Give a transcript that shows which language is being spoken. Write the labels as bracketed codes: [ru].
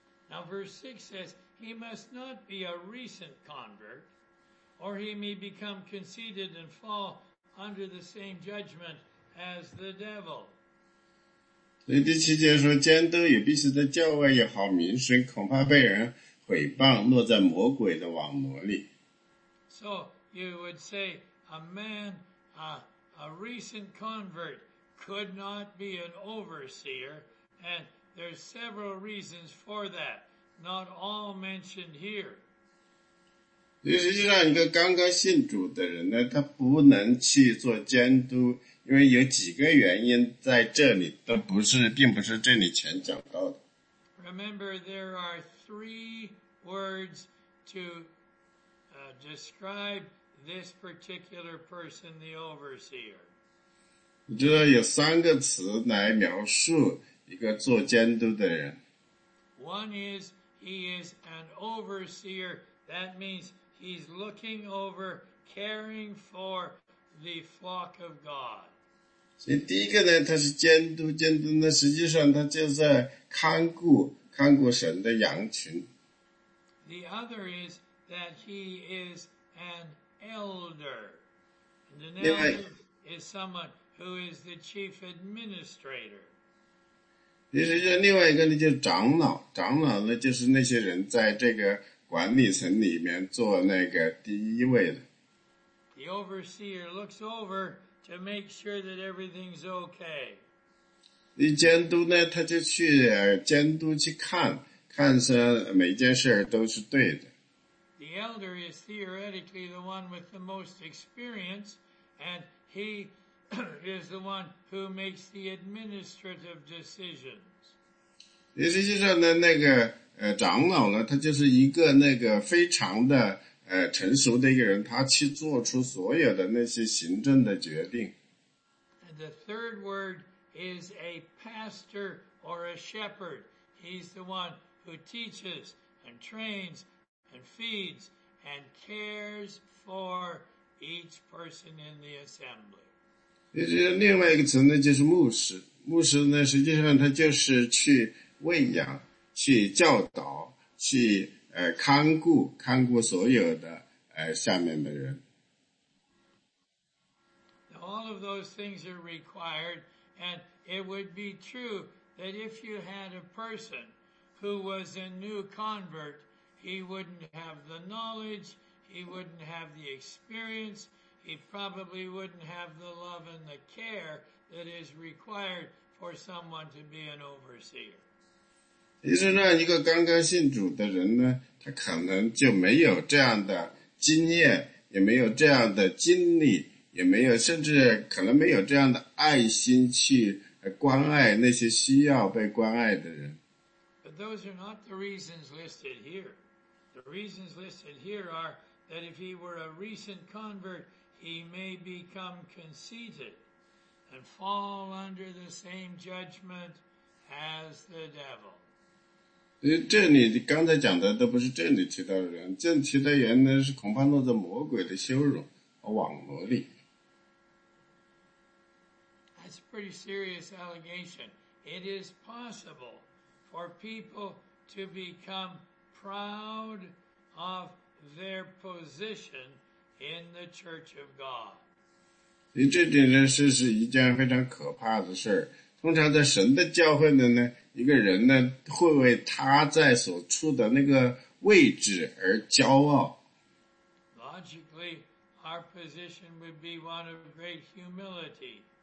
[en] Now verse 6 says, he must not be a recent convert, or he may become conceited and fall under the same judgment as the devil. [zh] 所以第七节说，监督也必须在教外也好名声，恐怕被人毁谤，落在魔鬼的网罗里。 [en] So you would say, a man, a recent convert,could not be an overseer, and there's several reasons for that, not all mentioned here. [zh] 实际上一个刚刚信主的人呢，他不能去做监督，因为有几个原因在这里都不是，并不是这里全讲到的。 [en] Remember, there are three words to describe this particular person, the overseer. [zh] 你知道有三个词来描述一个做监督的人。 [en] One is, he is an overseer. That means he's looking over, caring for the flock of God. [zh] 所以第一个呢，他是监督，监督呢，实际上他就在看顾，看顾神的羊群。 [en] The other is that he is an elder. And an elder is someone... who is the chief administrator. [zh] 其实就另外一个呢，就是长老。长老呢，就是那些人在这个管理层里面做那个第一位的。 [en] The overseer looks over to make sure that everything's okay. [zh] 你监督呢，他就去监督去看，看是每件事都是对的。 [en] The elder is theoretically the one with the most experience, and he... is the one who makes the administrative decisions. [zh] 实际上呢，那个长老呢，他就是一个那个非常的成熟的一个人，他去做出所有的那些行政的决定。 [en] And the third word is a pastor or a shepherd. He's the one who teaches and trains and feeds and cares for each person in the assembly. [zh] 另外一个词呢，就是牧师。牧师呢，实际上他就是去喂养、去教导、去看顾、看顾所有的下面的人。 [en] All of those things are required, and it would be true that if you had a person who was a new convert, he wouldn't have the knowledge, he wouldn't have the experience. He probably wouldn't have the love and the care that is required for someone to be an overseer. [zh] 其实呢，一个刚刚信主的人呢，他可能就没有这样的经验，也没有这样的经历，也没有，甚至可能没有这样的爱心去关爱那些需要被关爱的人。 [en] But those are not the reasons listed here. The reasons listed here are that if he were a recent convert,He may become conceited and fall under the same judgment as the devil. [zh] 这里刚才讲的都不是这里提到的人，这里提到的人呢是恐怕落在魔鬼的羞辱和网罗里。 [en] That's a pretty serious allegation. It is possible for people to become proud of their position. In the church of God. [zh] 所以这件事是一件非常可怕的事。通常在神的教会的呢，一个人呢会为他在所处的那个位置而骄傲。 [en] Logically, our position would be one of great humility.